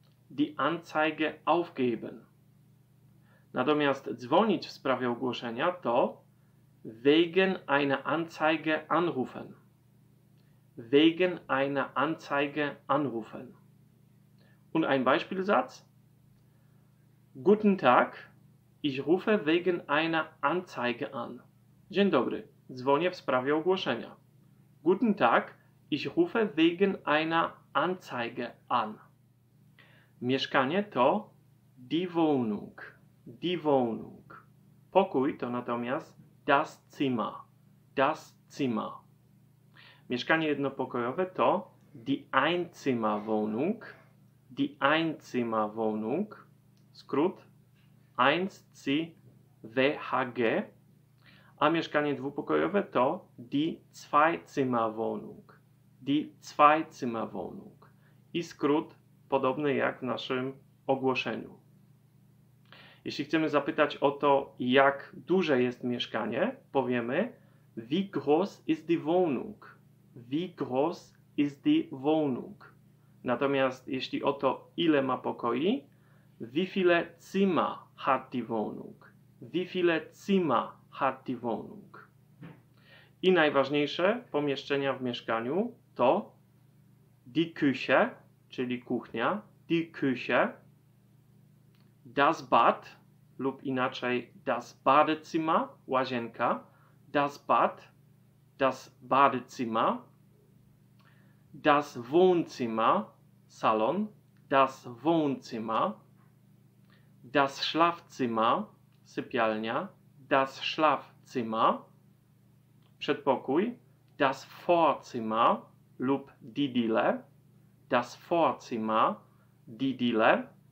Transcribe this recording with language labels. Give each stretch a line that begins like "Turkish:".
German: Die Anzeige aufgeben.
Polish: Natomiast dzwonić w sprawie ogłoszenia to
German: wegen einer Anzeige anrufen. Wegen einer Anzeige anrufen. Und ein Beispielsatz. Guten Tag, ich rufe wegen einer Anzeige an.
Polish: Dzień dobry, dzwonię w sprawie ogłoszenia.
German: Guten Tag, ich rufe wegen einer Anzeige an.
Polish: Mieszkanie to die Wohnung.
German: Die Wohnung.
Polish: Pokój to natomiast
German: das Zimmer. Das Zimmer.
Polish: Mieszkanie jednopokojowe to
German: die Einzimmerwohnung. Die Einzimmerwohnung.
Polish: Skrót Einzimmerwohnung. A mieszkanie dwupokojowe to die Zweizimmerwohnung.
German: Die Zweizimmerwohnung.
Polish: I skrót podobny jak w naszym ogłoszeniu. Jeśli chcemy zapytać o to, jak duże jest mieszkanie, powiemy
German: wie groß ist die Wohnung? Wie groß ist die Wohnung?
Polish: Natomiast jeśli o to, ile ma pokoi,
German: wie viele Zimmer hat die Wohnung? Wie viele Zimmer hat die Wohnung?
Polish: I najważniejsze pomieszczenia w mieszkaniu to die Küche, czyli kuchnia, die Küche.
German: Das Bad lub inaczej das Badezimmer, łazienka, das Bad, das Badezimmer, das Wohnzimmer, salon, das Wohnzimmer, das Schlafzimmer, sypialnia, das Schlafzimmer, przedpokój, das Vorzimmer lub die Diele, das Vorzimmer, die Diele.